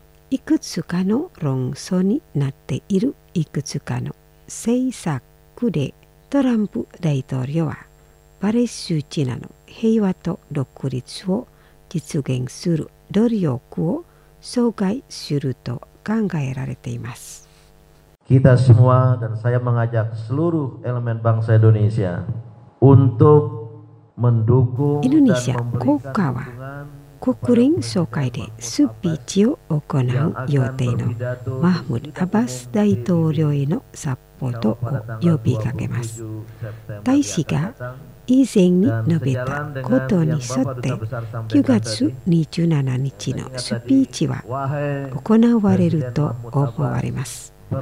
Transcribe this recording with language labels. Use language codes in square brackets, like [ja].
[ja] いくつかの論争になっている、いくつかの政策でトランプ大統領はパレスチナの平和と独立を実現する努力を阻害すると考えられています。 [id] Kita semua dan saya mengajak seluruh elemen bangsa Indonesia untuk mendukung dan memberikan dukungan。 [ja] 国連総会でスピーチを行う予定のマフムド・アバス大統領へのサポートを呼びかけます。大使が以前に述べたことに沿って9月27日のスピーチは行われると思われます。